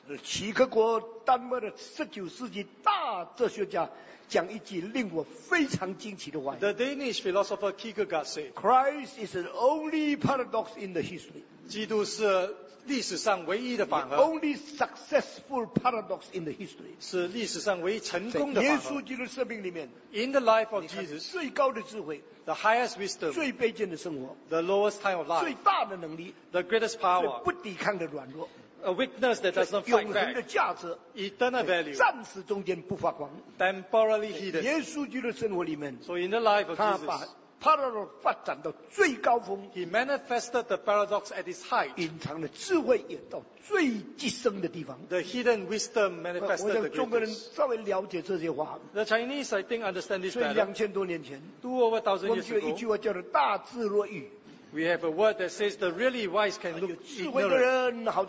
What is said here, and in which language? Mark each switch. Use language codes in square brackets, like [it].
[zh] 齐克国丹麦的十九世纪大哲学家讲一句令我非常惊奇的话。 [en] The Danish philosopher Kierkegaard said, "Christ is the only paradox in the history." [zh] 基督是历史上唯一的反合。 [en] The only successful paradox in the history. [zh] 是历史上唯一成功的反合。耶稣基督生命里面 [en] ，In the life of Jesus， [zh] 最高的智慧。 [en] The highest wisdom， [zh] 最卑贱的生活。 [en] The lowest time of life， [zh] 最大的能力。 [en] The greatest power， [zh] 最不抵抗的软弱。 [en] A weakness that does not fight back。 [zh] 永恒的价值 [en] ，eternal value， [zh] 暂时中间不发光。 [en] Temporally hidden。 [zh] 耶稣基督的生活里面 [en] ，So in the life of Jesus， [zh] 他把 paradox 发展到最高峰。 [en] He manifested the paradox at its height。 [zh] 隐藏的智慧也到最极深的地方。 [en] The hidden wisdom manifested the greatness。 [zh] 我想中国人稍微了解这些话。 [en] The Chinese I think understand this better。 [zh] 所以两千多年前 [en] ，2000 years ago， [zh] 我们有一句话叫做"大智若愚"。 [en] We have a word that says the really wise can look ignorant.